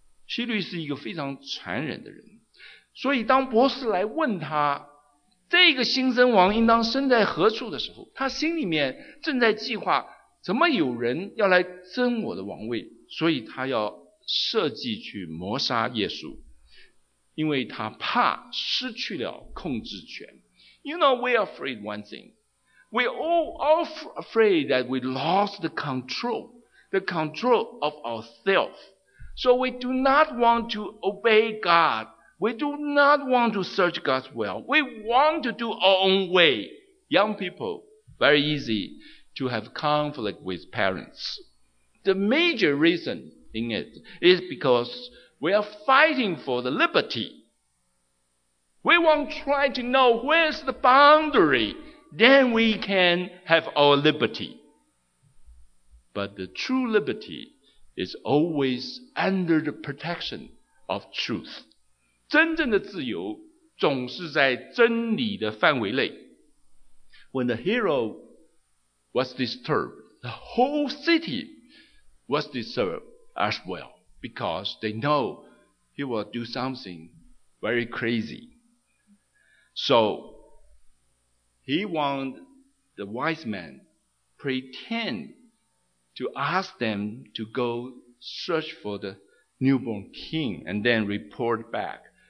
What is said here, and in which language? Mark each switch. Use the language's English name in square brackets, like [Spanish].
[Chinese] 希律是一个非常残忍的人。所以当博士来问他这个新生王应当生在何处的时候，他心里面正在计划怎么有人要来争我的王位，所以他要设计去谋杀耶稣，因为他怕失去了控制权。 [English] You know, we are afraid one thing. We all afraid that we lost the control of ourselves. So we do not want to obey God. We do not want to search God's will. We want to do our own way. Young people, very easy to have conflict with parents. The major reason in it is because we are fighting for the liberty. We want to try to know where's the boundary. Then we can have our liberty. But the true liberty is always under the protection of truth. [Chinese] 真正的自由总是在真理的范围内。 [English] When the hero was disturbed, the whole city was disturbed as well, because they know he will do something very crazy. So, he wanted the wise men pretend to ask them to go search for the newborn king and then report back.